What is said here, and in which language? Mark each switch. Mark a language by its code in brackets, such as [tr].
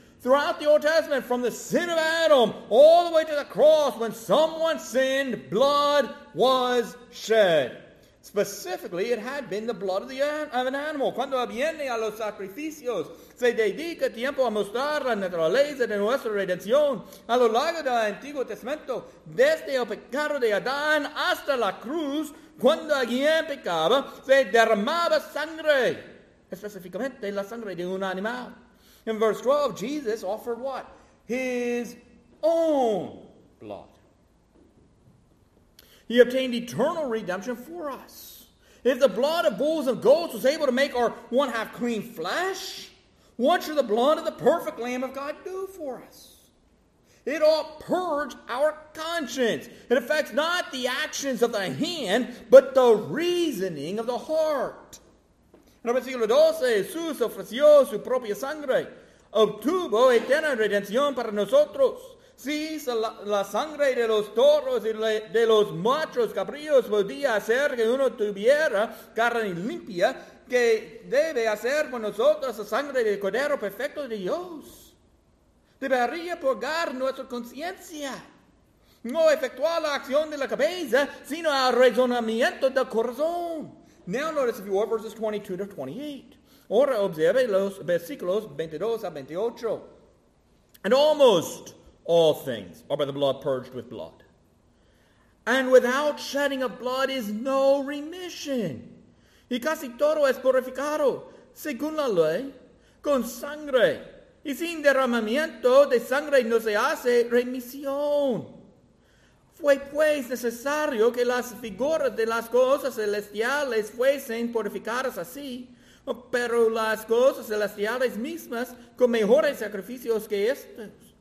[en] Throughout the Old Testament, from the sin of Adam all the way to the cross, when someone sinned, blood was shed. Specifically, it had been the blood of an animal. [es] Cuando viene a los sacrificios, se dedica tiempo a mostrar la naturaleza de nuestra redención. A lo largo del Antiguo Testamento, desde el pecado de Adán hasta la cruz, cuando alguien pecaba, se derramaba sangre. Específicamente, la sangre de un animal. [en] In verse 12, Jesus offered what? His own blood. He obtained eternal redemption for us. If the blood of bulls and goats was able to make our one half clean flesh, what should the blood of the perfect Lamb of God do for us? It all purges our conscience. It affects not the actions of the hand, but the reasoning of the heart. [es] En el versículo 12, Jesús ofreció su propia sangre. Obtuvo eterna redención para nosotros. Si la sangre de los toros y de los machos cabríos podía hacer que uno tuviera carne limpia, ¿qué debe hacer con nosotros la sangre del Cordero Perfecto de Dios? Debería purgar nuestra conciencia. No efectuar la acción de la cabeza, sino el razonamiento del corazón. [en] Now notice, if you want, verses 22 to 28. [es] Ahora observe los versículos 22 a 28. [en] And almost all things are by the blood purged with blood. And without shedding of blood is no remission. [es] Y casi todo es purificado, según la ley, con sangre. Y sin derramamiento de sangre no se hace remisión. Fue pues necesario que las figuras de las cosas celestiales fuesen purificadas así, pero las cosas celestiales mismas con mejores sacrificios que estos.